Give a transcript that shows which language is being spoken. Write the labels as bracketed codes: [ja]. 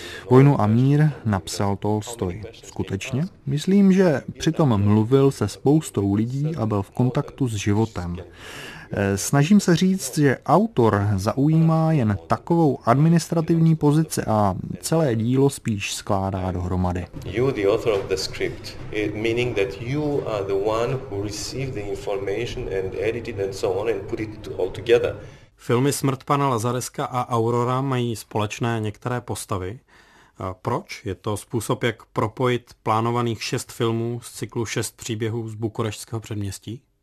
[cs] Vojnu a mír napsal Tolstoj. Skutečně? Myslím, že přitom mluvil se spoustou lidí a byl v kontaktu s životem. Snažím se říct, že autor zaujímá jen takovou administrativní pozici a celé dílo spíš skládá dohromady. [en] You the author of the script, meaning that you are the one who received the information and edited and so on and put it all together. [cs] Filmy Smrt pana Lazareska a Aurora mají společné některé postavy. Proč? Je to způsob, jak propojit plánovaných 6 filmů z cyklu 6 příběhů z bukurešťského předměstí?